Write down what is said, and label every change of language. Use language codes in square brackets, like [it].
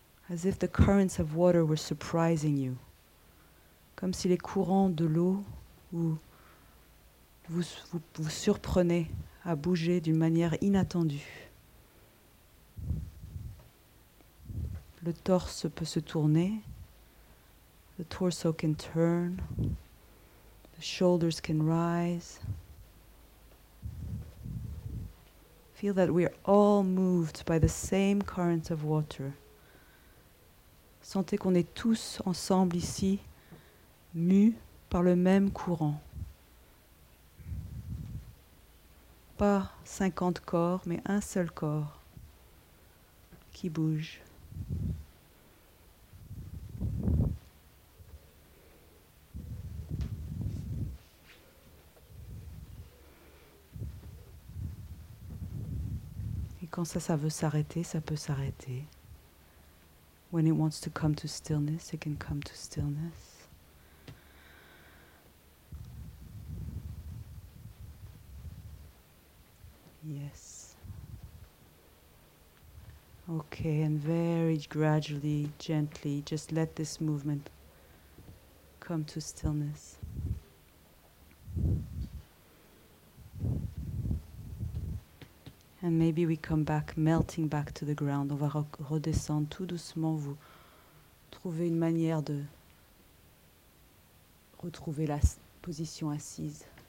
[en] As if the currents of water were surprising you. [fr] Comme si les courants de l'eau vous surprenaient à bouger d'une manière inattendue. Le torse peut se tourner. [en] The torso can turn. The shoulders can rise. Feel that we are all moved by the same current of water. [fr] Sentez qu'on est tous ensemble ici, mus par le même courant. Pas 50 corps, mais un seul corps qui bouge. Quand ça veut s'arrêter, ça peut s'arrêter. [en] When it wants to come to stillness, it can come to stillness. Yes. Okay, and very gradually, gently, just let this movement come to stillness. And maybe we come back, melting back to the ground. [fr] On va redescendre tout doucement. Vous trouvez une manière de retrouver la position assise.